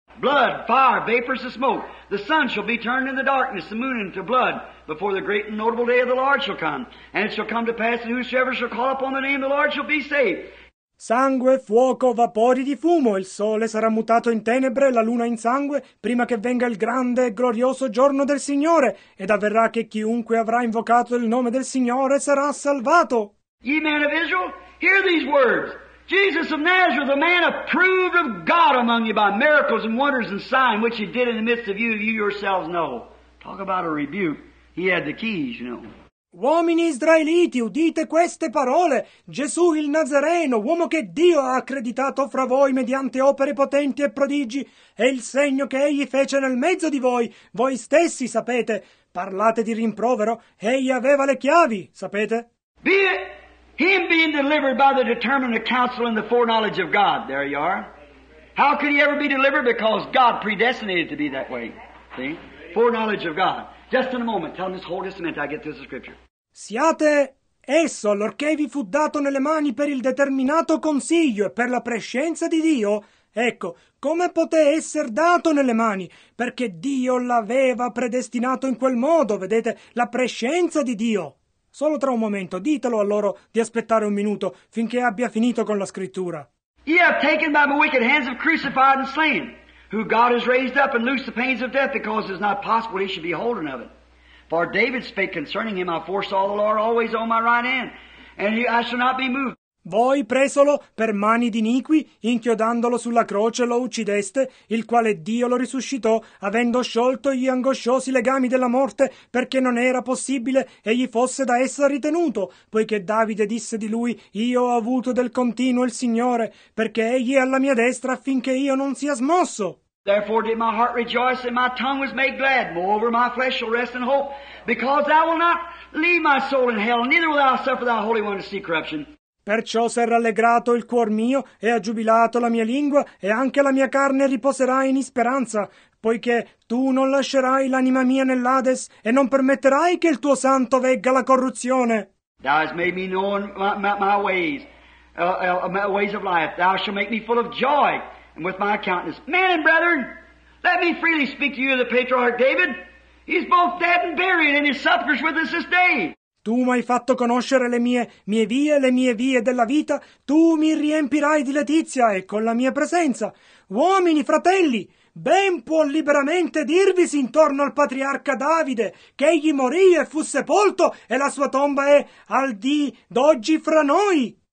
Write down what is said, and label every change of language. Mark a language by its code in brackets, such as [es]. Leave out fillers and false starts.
[en] Blood, fire, vapors of smoke. The sun shall be turned into darkness, the moon into blood, before the great and notable day of the Lord shall come. And it shall come to pass that whosoever shall call upon the name of the Lord shall be saved. [it] Sangue, fuoco, vapori di fumo, il sole sarà mutato in tenebre, la luna in sangue, prima che venga il grande e glorioso giorno del Signore, ed avverrà che chiunque avrà invocato il nome del Signore sarà salvato. [en] Ye men of Israel, hear these words. Jesus of Nazareth, a man approved of God among you by miracles and wonders and signs, which he did in the midst of you, you yourselves know. Talk about a rebuke. He had the keys, you know. [it] Uomini israeliti, udite queste parole. Gesù il Nazareno, uomo che Dio ha accreditato fra voi mediante opere potenti e prodigi, e il segno che egli fece nel mezzo di voi, voi stessi sapete. Parlate di rimprovero, egli aveva le chiavi, sapete? [en] Be it, him being delivered by the determined counsel and the foreknowledge of God. There you are. How could he ever be delivered? Because God predestinated to be that way. See? Foreknowledge of God. Just in a moment, tell me, hold this a minute, I get this scripture. [it] Siate esso, allorché vi fu dato nelle mani per il determinato consiglio e per la prescienza di Dio. Ecco, come poté essere dato nelle mani? Perché Dio l'aveva predestinato in quel modo, vedete, la prescienza di Dio. Solo tra un momento, ditelo a loro di aspettare un minuto, finché abbia finito con la scrittura. [en] Ye have taken by the wicked hands of crucified and slain, who God has raised up and loosed the pains of death, because it is not possible he should be holden of it. For David spake concerning him, I foresaw the Lord always on my right hand, and he, I shall not be moved. [it] Voi presolo per mani di iniqui, inchiodandolo sulla croce lo uccideste, il quale Dio lo risuscitò, avendo sciolto gli angosciosi legami della morte, perché non era possibile egli fosse da essa ritenuto, poiché Davide disse di lui, io ho avuto del continuo il Signore, perché egli è alla mia destra affinché io non sia smosso. [en] Therefore did my heart rejoice, and my tongue was made glad. Moreover, my flesh shall rest in hope, because thou wilt not leave my soul in hell, neither will thou suffer thy Holy One to see corruption. [it] Perciò s'è rallegrato il cuor mio, e ha giubilato la mia lingua, e anche la mia carne riposerà in speranza, poiché tu non lascerai l'anima mia nell'Ades, e non permetterai che il tuo santo vegga la corruzione. [en] Thou hast made me know my ways, ways of life. Thou shalt make me full of joy, and with my countenance. Men and brethren, let me freely speak to you of the patriarch David. He's both dead and buried, and his sepulchre's with us this day. [it] Tu mi hai fatto conoscere le mie vie, le mie vie della vita. Tu mi riempirai di letizia e con la mia presenza. Uomini, fratelli, ben può liberamente dirvisi intorno al patriarca Davide che egli morì e fu sepolto e la sua tomba è al di d'oggi fra noi.